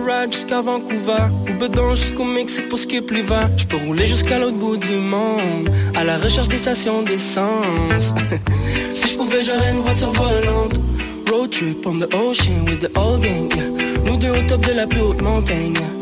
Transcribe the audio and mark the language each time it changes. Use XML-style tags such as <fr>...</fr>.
<fr>Jusqu'à Vancouver, ou bedon jusqu'au Mexique pour skip l'hiver. Je peux rouler jusqu'à l'autre bout du monde, à la recherche des stations d'essence. Si je pouvais, j'aurais une voiture volante.</fr> <en>Road trip on the ocean with the old gang.</en> <fr>Nous deux au top de la plus haute montagne.</fr>